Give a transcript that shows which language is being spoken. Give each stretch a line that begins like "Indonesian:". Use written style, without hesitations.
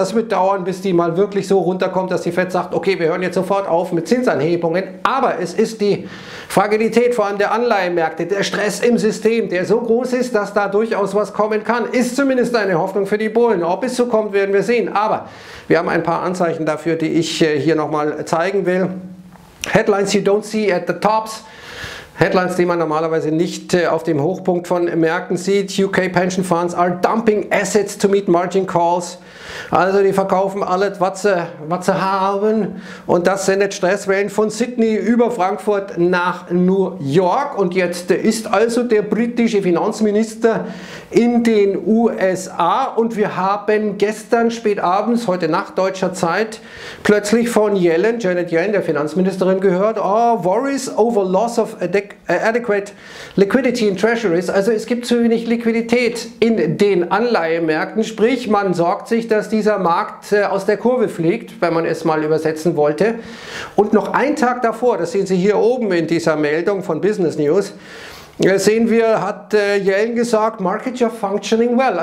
German: Das wird dauern, bis die mal wirklich so runterkommt, dass die Fed sagt, okay, wir hören jetzt sofort auf mit Zinsanhebungen. Aber es ist die Fragilität vor allem der Anleihenmärkte, der Stress im System, der so groß ist, dass da durchaus was kommen kann, ist zumindest eine Hoffnung für die Bullen. Ob es so kommt, werden wir sehen. Aber wir haben ein paar Anzeichen dafür, die ich hier nochmal zeigen will.
English: Headlines you don't see at the tops.
German: Headlines, die man normalerweise nicht auf dem Hochpunkt von Märkten sieht.
English: UK Pension Funds are dumping assets to meet margin calls.
German: Also die verkaufen alles, was sie haben. Und das sendet Stresswellen von Sydney über Frankfurt nach New York. Und jetzt ist also der britische Finanzminister in den USA. Und wir haben gestern spätabends, heute Nacht deutscher Zeit, plötzlich von Janet Yellen, der Finanzministerin, gehört.
English: Oh, worries over loss of adequate liquidity in treasuries.
German: Also es gibt zu wenig Liquidität in den Anleihemärkten. Sprich, man sorgt sich, dass dieser Markt aus der Kurve fliegt, wenn man es mal übersetzen wollte. Und noch einen Tag davor, das sehen Sie hier oben in dieser Meldung von Business News, sehen wir, hat Yellen gesagt,
English: markets are functioning well.